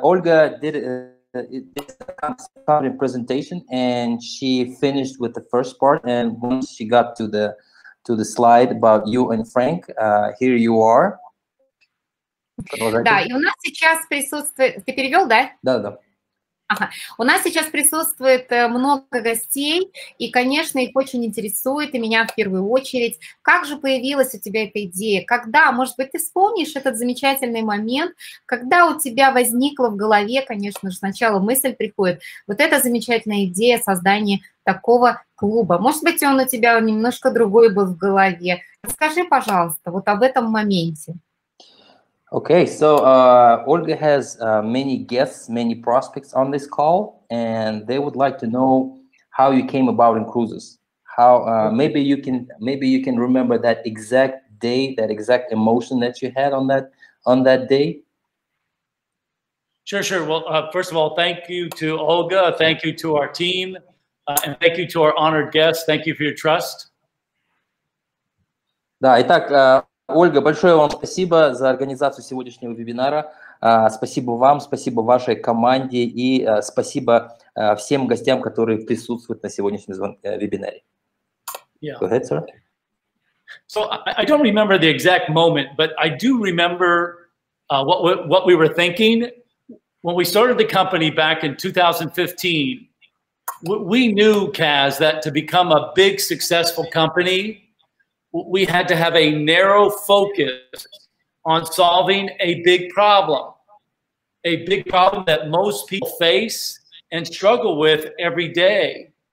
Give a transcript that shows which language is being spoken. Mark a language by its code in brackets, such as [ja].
[en] Olga did a company presentation, and she finished with the first part, and once she got to the slide about you and Frank. Here you are. [ru] Да, и у нас сейчас присутствует... Ты перевел, да? Да, да. У нас сейчас присутствует много гостей, и, конечно, их очень интересует, и меня в первую очередь. Как же появилась у тебя эта идея? Когда, может быть, ты вспомнишь этот замечательный момент, когда у тебя возникла в голове, конечно же, сначала мысль приходит, вот эта замечательная идея создания такого клуба. Может быть, он у тебя немножко другой был в голове. Расскажи, пожалуйста, вот об этом моменте. [en] Okay, so Olga has many guests, many prospects on this call, and they would like to know how you came about in cruises. How maybe you can remember that exact day, that exact emotion that you had on that day. Sure, sure. Well, first of all, thank you to Olga. Thank you to our team, and thank you to our honored guests. Thank you for your trust. [ru] Да, итак. Ольга, большое вам спасибо за организацию сегодняшнего вебинара. Спасибо вам, спасибо вашей команде и спасибо всем гостям, которые присутствуют на сегодняшнем вебинаре. [en] Yeah. Go ahead, sir. So I don't remember the exact moment, but I do remember what we were thinking when we started the company back in 2015. We knew, Kaz, that to become a big successful company, we had to have a narrow focus on solving a big problem that most people face and struggle with every day.